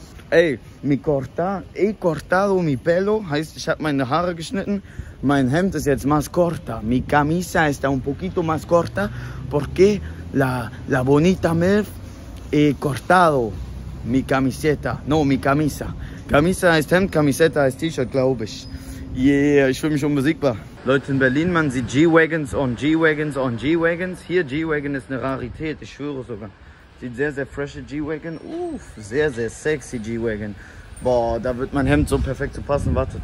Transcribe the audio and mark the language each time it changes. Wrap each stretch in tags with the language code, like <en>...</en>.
<de>Ey, ich</de> <es>cortado mi pelo,</es> <de>heißt, ich habe meine Haare geschnitten. Mein Hemd ist jetzt</de> <es>más corta. Mi camisa está un poquito más corta, porque la bonita me he cortado mi camiseta. No, mi camisa.</es> <de>Camisa ist Hemd, camiseta ist T-Shirt, glaube ich. Yeah, ich fühle mich unbesiegbar. Leute, in Berlin, man sieht G-Wagons on G-Wagons on G-Wagons. Hier, G-Wagon ist eine Rarität, ich schwöre sogar. Sieht sehr, sehr fresh G-Wagon. Uff, sehr, sehr sexy G-Wagon. Boah, da wird mein Hemd so perfekt zu passen, wartet.</de>